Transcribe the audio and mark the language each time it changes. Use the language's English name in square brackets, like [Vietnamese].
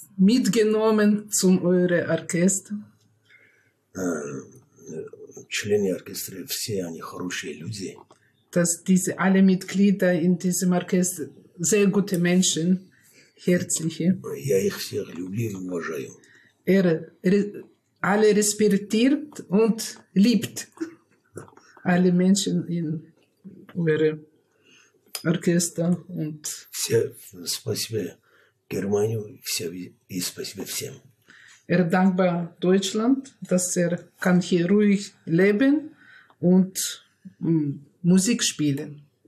[German] mitgenommen zum eure Orchester? [Russian] Члены оркестра все они хорошие люди. [German] Dass diese alle Mitglieder in diesem Orchester sehr gute Menschen, herzliche. [Russian] Я их всех люблю и уважаю. [German] Er alle respektiert und liebt alle Menschen in eure Orchester und. [Russian] Все, спасибо Германию, все и спасибо всем. [German] Dankbar Deutschland, dass kann hier ruhig leben und Musik spielen.